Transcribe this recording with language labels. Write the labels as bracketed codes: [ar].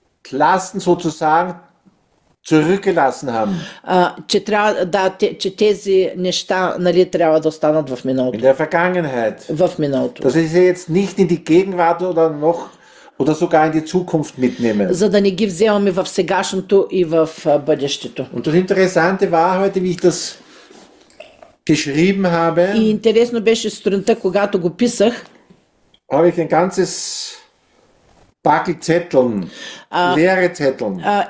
[de] Klassen sozusagen zurückgelassen haben. [bg] Че тези неща, нали, трябва да останат в миналото. [de] In der Vergangenheit. [bg] В миналото. [de] Dass ich sie jetzt nicht in die Gegenwart oder noch oder sogar in die Zukunft mitnehmen. [bg] За да не ги вземаме в сегашното и в бъдещето. [de] Und das Interessante war heute, wie ich das geschrieben habe. [bg] И интересно беше сутринта, когато го писах. [de] Habe ich ein ganzes Пакли цетлен, лере цетлен.